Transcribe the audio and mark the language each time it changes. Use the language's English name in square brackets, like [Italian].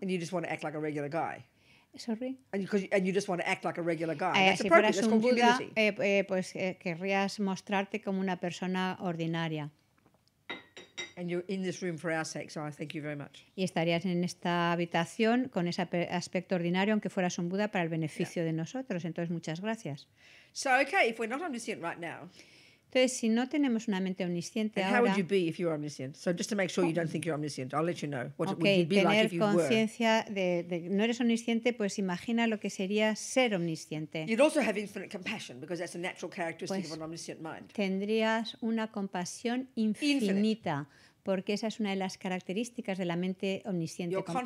[English] and you just want to act like a regular guy. Sorry. And you just want to act like a regular guy. [Spanish] Si fueras un Buda, querrías mostrarte como una persona ordinaria. [English] And you're in this room for our sake, so I thank you very much. [Spanish] Y estarías en esta habitación con ese aspecto ordinario, aunque fueras un Buda, para el beneficio de nosotros. Entonces, muchas gracias. [English] So, okay, if we're not omniscient right now. [Spanish] Entonces, si no tenemos una mente omnisciente ahora. [English] How would you be if you were omniscient? So, just to make sure you don't think you're omniscient, I'll let you know what okay, it would be like if you were. [Spanish] Okay, tener conciencia de no eres omnisciente, pues imagina lo que sería ser omnisciente. [English] You'd also have infinite compassion because that's a natural characteristic of an omniscient mind. [Spanish] Tendrías una compasión infinita. [English] Infinite. [Spanish] Porque esa es una de las características de la mente omnisciente.